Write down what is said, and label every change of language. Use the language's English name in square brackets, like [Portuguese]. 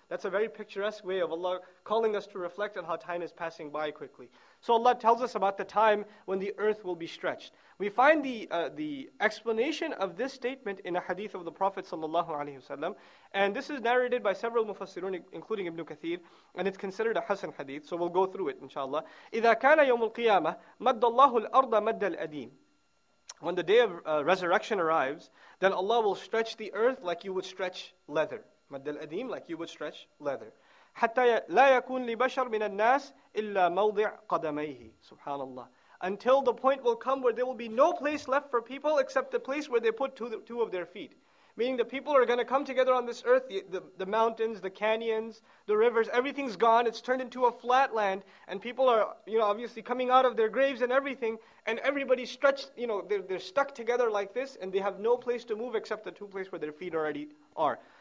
[English] That's a very picturesque way of Allah calling us to reflect on how time is passing by quickly. So Allah tells us about the time when the earth will be stretched. We find the explanation of this statement in a hadith of the Prophet sallallahu alaihi wasallam, and this is narrated by several mufassirun, including Ibn Kathir, and it's considered a hasan hadith. So we'll go through it, inshallah. [Arabic] إذا كان يوم القيامة مد الله الأرض مد الأدين. [English] When the day of resurrection arrives, then Allah will stretch the earth like you would stretch leather. [Arabic] مد الأدين, [English] like you would stretch leather. [Arabic] حتى لا يكون لبشر من الناس إلا موضع قدميه. سبحان الله. [English] Until the point will come where there will be no place left for people except the place where they put two of their feet. Meaning the people are going to come together on this earth, the mountains, the canyons, the rivers, everything's gone, it's turned into a flat land, and people are, you know, obviously coming out of their graves and everything, and everybody's stretched, you know, they're stuck together like this, and they have no place to move except the two places where their feet already are.